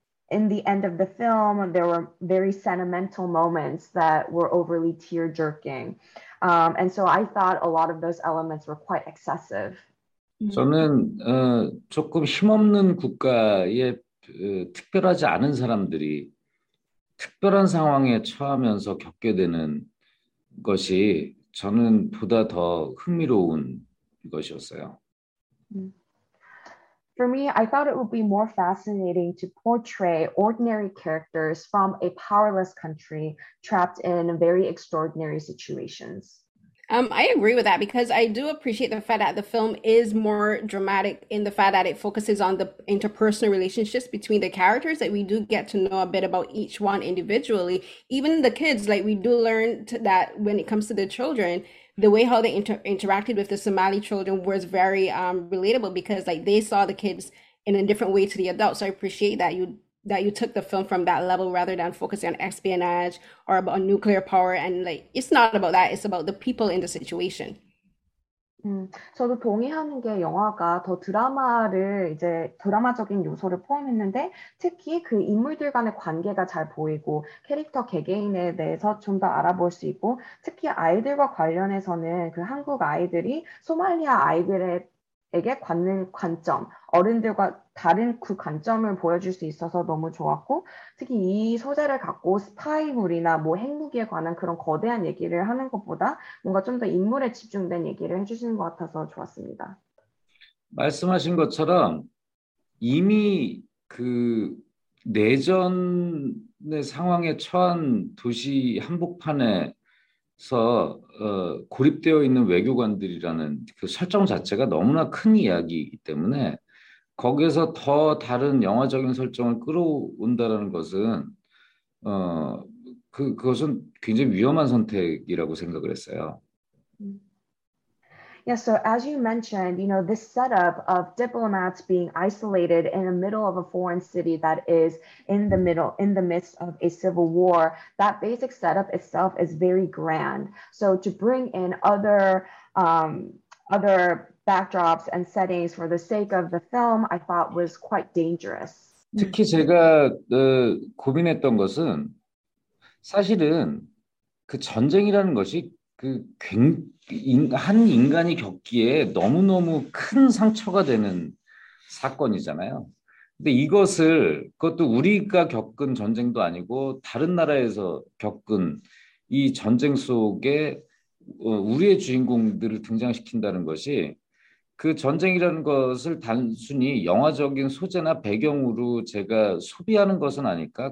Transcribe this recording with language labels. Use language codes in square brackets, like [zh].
[en] In the end of the film, there were very sentimental moments that were overly tear-jerking. And so I thought a lot of those elements were quite excessive. [ko] 저는 조금 힘없는 국가에 특별하지 않은 사람들이 특별한 상황에 처하면서 겪게 되는 것이 저는 보다 더 흥미로운 것이었어요. [en] For me, I thought it would be more fascinating to portray ordinary characters from a powerless country trapped in very extraordinary situations. I agree with that because I do appreciate the fact that the film is more dramatic in the fact that it focuses on the interpersonal relationships between the characters, that we do get to know a bit about each one individually. Even the kids, like we do learn that when it comes to the children, the way how they interacted with the Somali children was very relatable because like they saw the kids in a different way to the adults. So I appreciate that you took the film from that level rather than focusing on espionage or about nuclear power. And like it's not about that, it's about the people in the situation. [ko] 저도 동의하는 게 영화가 더 드라마적인 요소를 포함했는데, 특히 그 인물들 간의 관계가 잘 보이고, 캐릭터 개개인에 대해서 좀더 알아볼 수 있고, 특히 아이들과 관련해서는 그 한국 아이들이 소말리아 아이들에게 관점, 어른들과 다른 그 관점을 보여줄 수 있어서 너무 좋았고, 특히 이 소재를 갖고 스파이물이나 뭐 핵무기에 관한 그런 거대한 얘기를 하는 것보다 뭔가 좀더 인물에 집중된 얘기를 해주시는 것 같아서 좋았습니다. 말씀하신 것처럼 이미 그 내전의 상황에 처한 도시 한복판에서 고립되어 있는 외교관들이라는 그 설정 자체가 너무나 큰 이야기이기 때문에 거기에서 더 다른 영화적인 설정을 끌어온다라는 것은 그것은 굉장히 위험한 선택이라고 생각을 했어요. [en] Yeah, so as you mentioned, this setup of diplomats being isolated in the middle of a foreign city that is in the midst of a civil war, that basic setup itself is very grand. So to bring in other backdrops and settings for the sake of the film, I thought was quite dangerous. [ko] 특히 제가 고민했던 것은 사실은 그 전쟁이라는 것이 그한 인간이 겪기에 너무너무 큰 상처가 되는 사건이잖아요. 근데 이것을 그것도 우리가 겪은 전쟁도 아니고 다른 나라에서 겪은 이 전쟁 속에 우리의 주인공들을 등장시킨다는 것이 그 전쟁이라는 것을 단순히 영화적인 소재나 배경으로 제가 소비하는 것은 아닐까?